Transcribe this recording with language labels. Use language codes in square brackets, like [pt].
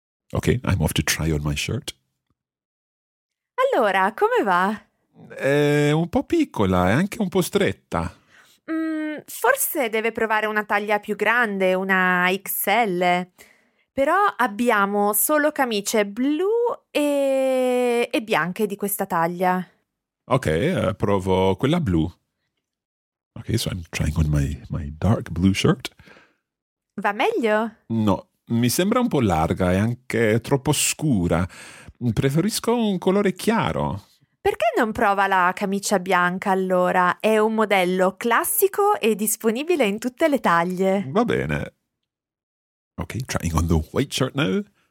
[en] Okay, I'm off to try on my shirt. [it] Allora, come va? È un po' piccola e anche un po' stretta. Forse deve provare una taglia più grande, una XL. Però abbiamo solo camicie blu e bianche di questa taglia. Ok, provo quella blu. [en] Ok, so I'm trying on my dark blue shirt. [it] Va meglio? No, mi sembra un po' larga e anche troppo scura. Preferisco un colore chiaro. Perché non prova la camicia bianca allora? È un modello classico e disponibile in tutte le taglie. Va bene. [en] Ok, trying on the white shirt now.